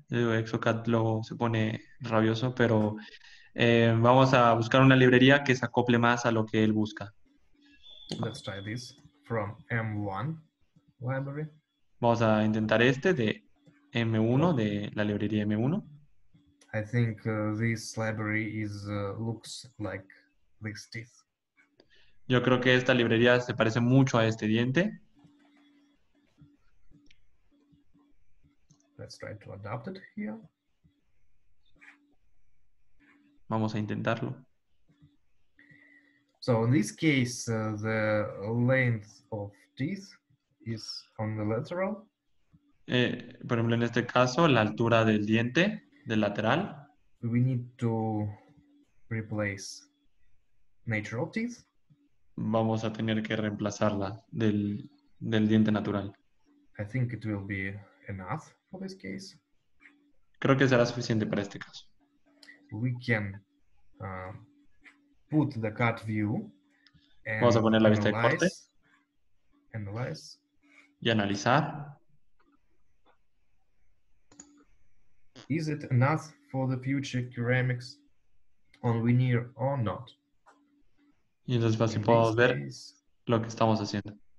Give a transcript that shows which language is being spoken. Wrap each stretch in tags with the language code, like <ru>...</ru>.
<es>Exocad luego se pone rabioso, pero vamos a buscar una librería que se acople más a lo que él busca.</es> <en>Let's try this from M1 library.</en> <es>Vamos a intentar este de M1, de la librería M1.</es> <en>I think this library is looks like this teeth.</en> <es>Yo creo que esta librería se parece mucho a este diente.</es> <en>Let's try to adapt it here.</en> <es>Vamos a intentarlo.</es> <en>So in this case, the length of teeth is on the lateral.</en> <es>Por ejemplo, en este caso, la altura del diente. Del lateral.</es> <en>We need to replace natural teeth.</en> <es>Vamos a tener que reemplazarla del diente natural.</es> <en>I think it will be enough for this case.</en> <es>Creo que será suficiente para este caso.</es> <en>We can put the cut view.</en> <es>Vamos a poner la vista de corte.</es> <en>Analyze.</en> <es>Y analizar.</es> <en>Is it enough for the future ceramics on veneer or not?</en> <es>Y entonces así podemos ver lo que estamos haciendo.</es>